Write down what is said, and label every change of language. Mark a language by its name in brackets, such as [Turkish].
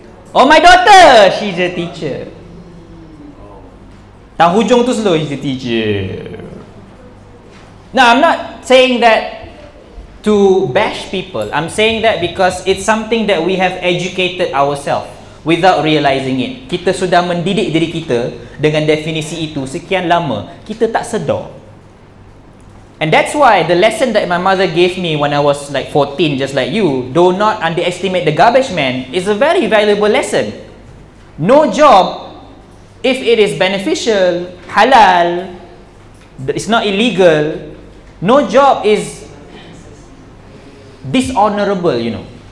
[English] Oh, my daughter, she's a teacher. [Malay] Tang hujung tu selalu, [English] he's a teacher. Now, I'm not saying that to bash people. I'm saying that because it's something that we have educated ourselves without realizing it. [Malay] Kita sudah mendidik diri kita dengan definisi itu sekian lama. Kita tak sedar. [English] And that's why the lesson that my mother gave me when I was like 14, just like you, do not underestimate the garbage man, is a very valuable lesson. No job, if it is beneficial, halal, it's not illegal, no job is dishonorable, you know.